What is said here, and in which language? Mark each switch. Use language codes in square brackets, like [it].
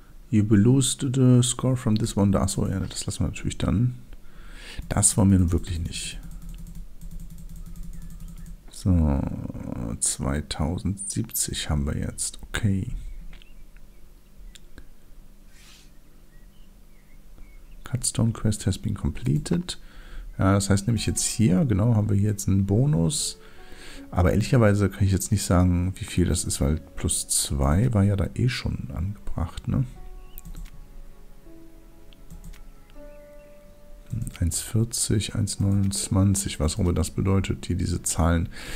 [en] You lose the score from this one. [de] Achso, ja, das lassen wir natürlich dann. Das wollen wir nun wirklich nicht. So. 2070 haben wir jetzt. Okay. [en] Cutstone Quest has been completed. [de] Ja, das heißt nämlich jetzt hier, genau, haben wir hier jetzt einen Bonus. Aber ehrlicherweise kann ich jetzt nicht sagen, wie viel das ist, weil plus 2 war ja da eh schon angebracht, ne? 1,40, 1,29, was auch immer das bedeutet, hier diese Zahlen.